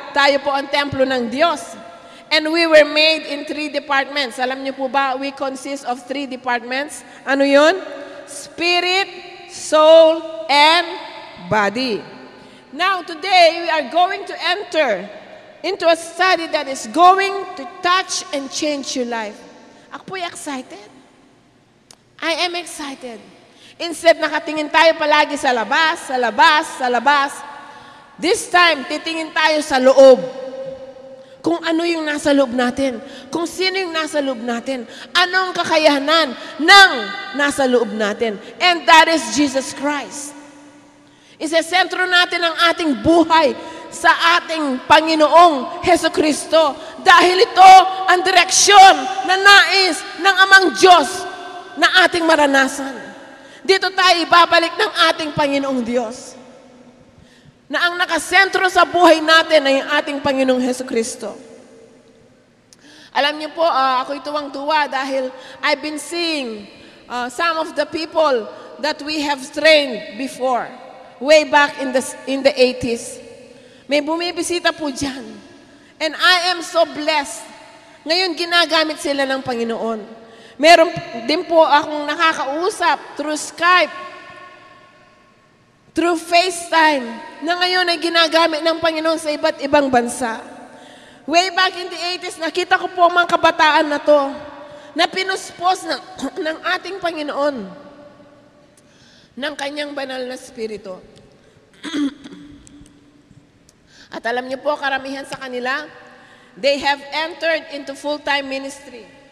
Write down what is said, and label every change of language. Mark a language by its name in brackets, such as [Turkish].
[Filipino] Tayo po ang templo ng Diyos. [English] And we were made in three departments. [Filipino] Alam niyo po ba, [English] we consist of three departments. [Filipino] Ano yun? [English] Spirit, soul, and body. Now, today, we are going to enter into a study that is going to touch and change your life. [Filipino] Ako po'y excited. [English] I am excited. [Filipino] Instead, nakatingin tayo palagi sa labas, sa labas, sa labas. [English] This time, [Filipino] titingin tayo sa loob. Kung ano yung nasa loob natin. Kung sino yung nasa loob natin. Anong kakayahan ng nasa loob natin. [English] And that is Jesus Christ. [Filipino] Isesentro natin ang ating buhay sa ating Panginoong Jesucristo. Dahil ito ang direksyon na nais ng Amang Diyos na ating maranasan. Dito tayo ibabalik ng ating Panginoong Diyos. Na ang nakasentro sa buhay natin ay ang ating Panginoong Jesucristo. Alam niyo po, ako'y tuwang-tuwa dahil [English] I've been seeing some of the people that we have trained before. Way back in the 80s. [Filipino] May bumibisita po dyan. [English] And I am so blessed. [Filipino] Ngayon, ginagamit sila ng Panginoon. Meron din po akong nakakausap through Skype, through FaceTime, na ngayon ay ginagamit ng Panginoon sa iba't ibang bansa. [English] Way back in the 80s, [Filipino] nakita ko po mga kabataan na to na pinuspos ng ating Panginoon ng kanyang banal na spirito. At alam niyo po, karamihan sa kanila, [English] they have entered into full-time ministry.